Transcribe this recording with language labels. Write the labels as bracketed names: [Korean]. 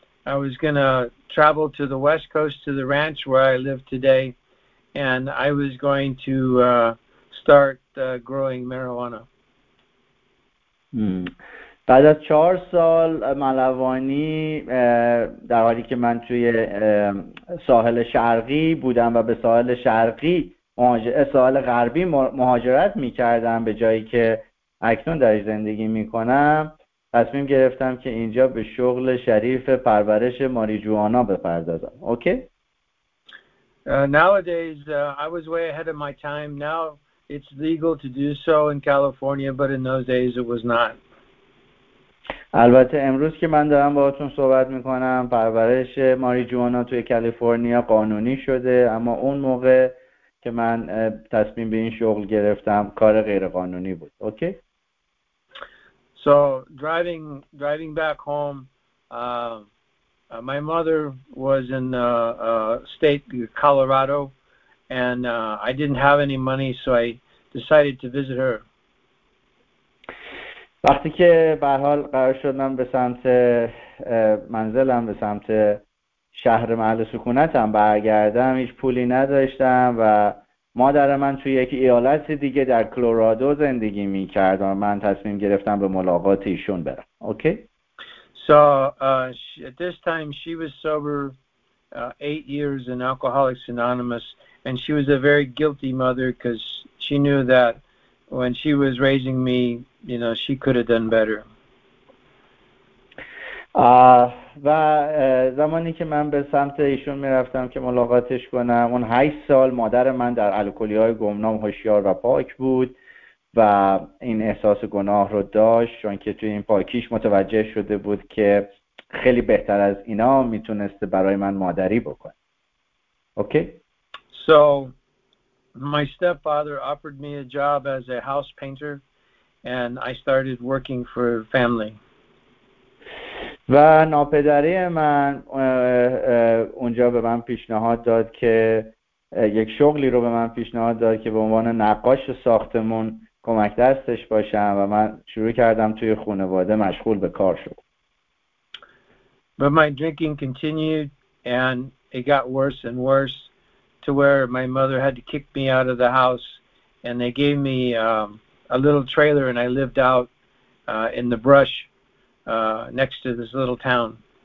[English] I was going to travel to the West Coast to the ranch where I live today. And I was going to start growing marijuana. [Persian] بعد از 4 سال ملوانی در حالی که من توی ساحل شرقی بودم و به ساحل شرقی ساحل غربی مهاجرت می کردم به جایی که اکنون در زندگی می کنم، تصمیم گرفتم که اینجا به شغل شریف پرورش ماریجوانا بپردازم. [English] Okay? Nowadays, I was way ahead of my time. Now, it's legal to do so in California, but in those days, it was not. [Persian] البته امروز که من دارم باهاتون صحبت میکنم، پرورش ماریجوانا توی کالیفرنیا قانونی شده، اما اون موقع که من تصمیم به این شغل گرفتم، کار غیر قانونی بود. [English] Okay? So driving back home, my mother was in state Colorado, and I didn't have any money, so I decided to visit her. [Persian] وقتی که به حال قرار شد من به سمت منزلم به سمت شهر محل سکونتم برگردم، هیچ پولی نداشتم و مادر من توی یک ایالت دیگه در کلرادو زندگی می‌کرد و من تصمیم گرفتم به ملاقات ایشون برم. [English] Okay? So at this time she was sober 8 years in Alcoholics Anonymous and she was a very guilty mother because she knew that when she was raising me, you know, she could have done better. [Persian] و زمانی که من به سمت ایشون میرفتم که ملاقاتش کنم، اون 8 سال مادر من در الکلی‌های گمنام هوشیار و پاک بود و این احساس گناه رو داشت، چون که توی این پاکیش متوجه شده بود که خیلی بهتر از اینا میتونسته برای من مادری بکنه. [English] Okay? So my stepfather offered me a job as a house painter and I started working for family. [Persian] و ناپدری من اونجا به من پیشنهاد داد که یک شغلی رو به من پیشنهاد داد که به عنوان نقاش ساختمون کمک دستش باشم و من شروع کردم توی خانواده مشغول به کار شدم. [English] But my drinking continued and it got worse and worse to where my mother had to kick me out of the house and they gave me a little trailer and I lived out in the brush next to this little town.